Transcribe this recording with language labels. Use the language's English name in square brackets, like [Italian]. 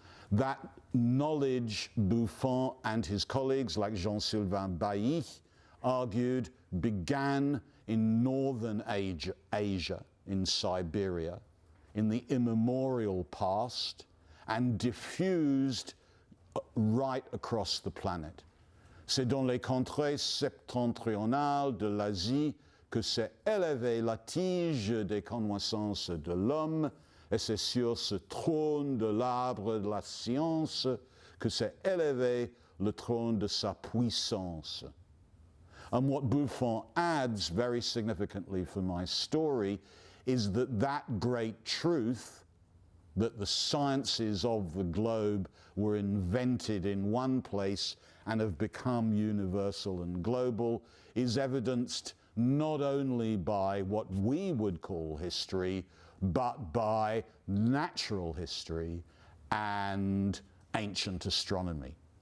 [English] That knowledge, Buffon and his colleagues like Jean-Sylvain Bailly argued, began in northern Asia, in Siberia, in the immemorial past, and diffused right across the planet. [French] C'est dans les contrées septentrionales de l'Asie que s'est élevée la tige des connaissances de l'homme, et c'est sur ce trône de l'arbre de la science que s'est élevé le trône de sa puissance. [English] And what Buffon adds, very significantly for my story, is that that great truth, that the sciences of the globe were invented in one place and have become universal and global, is evidenced not only by what we would call history, but by natural history and ancient astronomy.